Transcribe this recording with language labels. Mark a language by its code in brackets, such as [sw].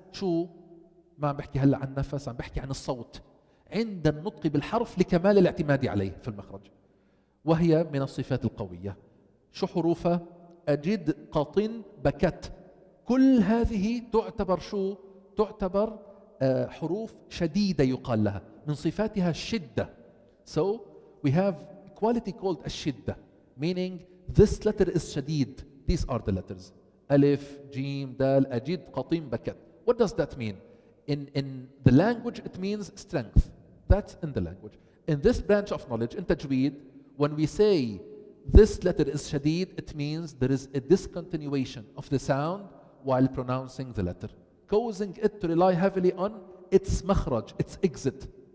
[ar] شو؟ ما عم بحكي هلا عن النفس، عم بحكي عن الصوت عند النطق بالحرف لكمال الاعتماد عليه في المخرج، وهي من الصفات القوية. شو حروفها؟ أجد، قطن، بكت. كل هذه تعتبر شو؟ تعتبر حروف شديدة يقال لها، من صفاتها الشدة. [en] So we have quality called الشدة، meaning this letter is شديد. These are the letters ألف، جيم، دال، أجد، قطن، بكت. What does that mean? In the language it means strength. That's in the language. In this branch of knowledge, in تجويد, when we say this letter is شديد, it means there is a discontinuation of the sound while pronouncing the letter, causing it to rely heavily on its makhraj, its exit.